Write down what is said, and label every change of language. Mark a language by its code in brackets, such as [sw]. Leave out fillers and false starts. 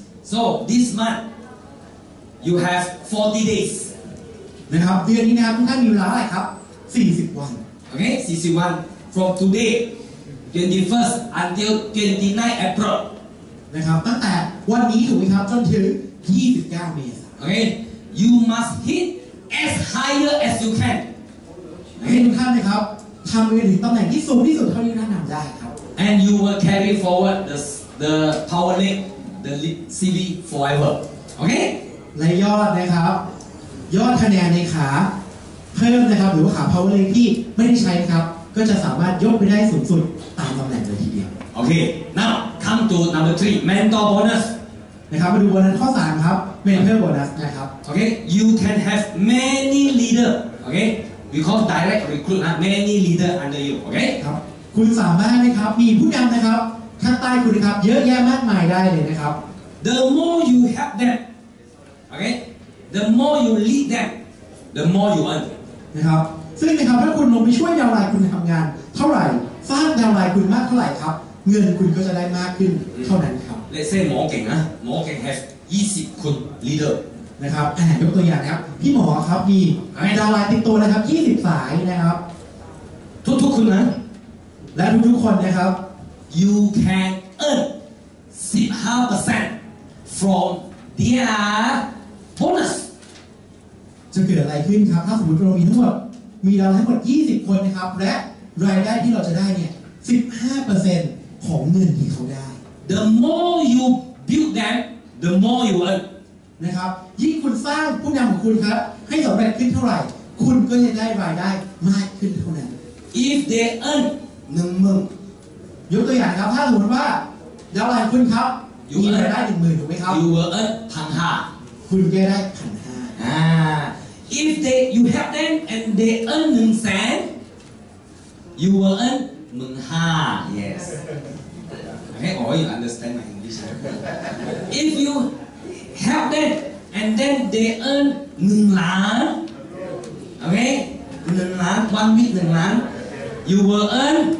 [en] So this month you have 40 days [th] นะครับเดือนนี้นะทุกท่านมีเวลาอะไรครับ40วัน [en] โอเค41 from today 21st until 29 April [th] นะครับตั้งแต่วันนี้ถูกไหมครับจนถึง29เมษายน [en] โอเค you must hit as higher as you can [th] เห็นทุกท่านนะครับทำไปถึงตำแหน่งที่สูงที่สุดเท่าที่ท่านทำได้ครับ [en] and you will carry forward the power link the CV forever โอเค [th] และยอดนะครับยอดคะแนนในขาเพิ่มนะครับหรือว่าขา power link ที่ไม่ได้ใช้ครับก็จะสามารถยกไปได้สูงสุดตามตำแหน่งเลยทีเดียว [en] โอเค now come to number 3 mentor bonus [th] นะครับมาดูโบนัสข้อ3ครับ mentor bonus นะครับ [en] โอเค you can have many leader โอเค we call direct recruit นะ many leader under you โอเค [th] ครับคุณสามารถนะครับมีผู้นำนะครับข้างใต้คุณนะครับเยอะแยะมากมายได้เลยนะครับ [en] The more you have them okay the more you lead them the more you earn [th] นะครับซึ่งนะครับถ้าคุณลงไปช่วยดาวไลน์คุณทำงานเท่าไหร่สร้างดาวไลน์คุณมากเท่าไหร่ครับเงินคุณก็จะได้มากขึ้นเท่านั้นครับ [en] Let's say หมอเก่งนะหมอเก่ง have 20คน leader [th] นะครับยกตัวอย่างครับพี่หมอครับมีดาวไลน์ติดตัวนะครับ20สายนะครับ ทุกคนนะ และทุกคนนะครับ [en] You can earn 15% from their bonus. [th] จะเกิดอะไรขึ้นครับถ้าสมมติเรามีทั้งหมดมีเราทั้งหมด20คนนะครับและรายได้ที่เราจะได้เนี่ย 15% ของเงินที่เขาได้ [en] The more you build them, the more you earn. [th] นะครับยิ่งคุณสร้างผู้นำของคุณครับให้สำเร็จขึ้นเท่าไหร่คุณก็จะได้รายได้มากขึ้นเท่านั้น [en] If they earn [th] 10,000ยกตัวอย่างครับถ้าสมมติว่าดาวไลน์คุณครับมีรายได้ 10,000 ถูกไหมครับ [en] You will earn 1,500 [th] คุณก็ได้ 1,500 [en] If they you help them and they earn 100,000 you will earn 1,500 yes okay or you understand my English if you help them and then they earn 1,000,000 okay 1,000,000 one week 1,000,000 you will earn